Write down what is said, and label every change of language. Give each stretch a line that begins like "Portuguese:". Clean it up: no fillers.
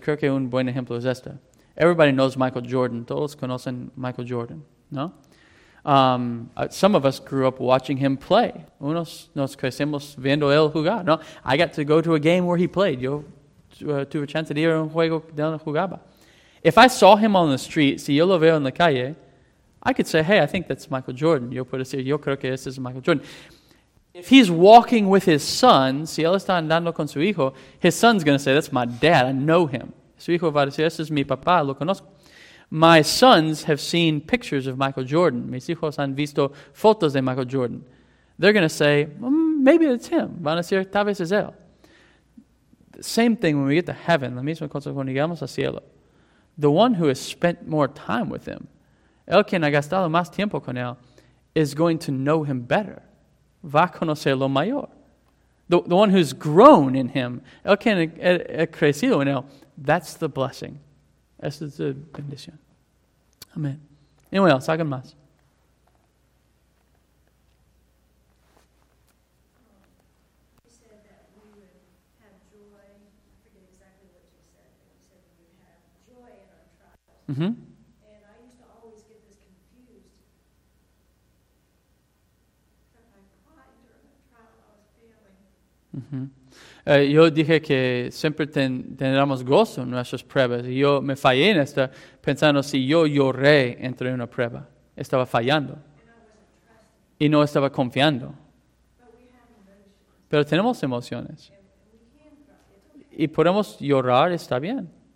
Spanish: Creo que un buen ejemplo es esta.
English: Everybody knows Michael Jordan.
Spanish: Todos conocen Michael Jordan, ¿no?
English: Some of us grew up watching him play.
Spanish: Unos nos crecemos viendo él jugar.
English: No, I got to go to a game where he played.
Spanish: Yo tuve chance de ir a un juego donde jugaba.
English: If I saw him on the street,
Spanish: si yo lo veo en la calle,
English: I could say, hey, I think that's Michael Jordan.
Spanish: Yo puedo decir, yo creo que ese es Michael Jordan.
English: If he's walking with his son,
Spanish: si él está andando con su hijo,
English: his son's going to say, that's my dad, I know him.
Spanish: Su hijo va a decir, ese es mi papá, lo conozco.
English: My sons have seen pictures of Michael Jordan.
Spanish: Mis hijos han visto fotos de Michael Jordan.
English: They're going to say, well, maybe it's him.
Spanish: Van a decir, tal vez es él.
English: The same thing when we get to heaven.
Spanish: La misma cosa cuando llegamos al cielo.
English: The one who has spent more time with him,
Spanish: el quien ha gastado más tiempo con él,
English: is going to know him better.
Spanish: Va a conocerlo mayor.
English: The one who's grown in him,
Spanish: el quien ha crecido en él,
English: that's the blessing.
Spanish: Esa es la bendición. Amén. Anyway, else, hagan más.
English: And I used to always get this confused. My pride during the trial I was feeling.
Spanish: Yo dije que siempre tendríamos gozo en nuestras pruebas. Yo me fallé en esta pensando si yo lloré entre una prueba. Estaba fallando. Y no estaba confiando. Pero tenemos emociones. Y podemos llorar, está bien.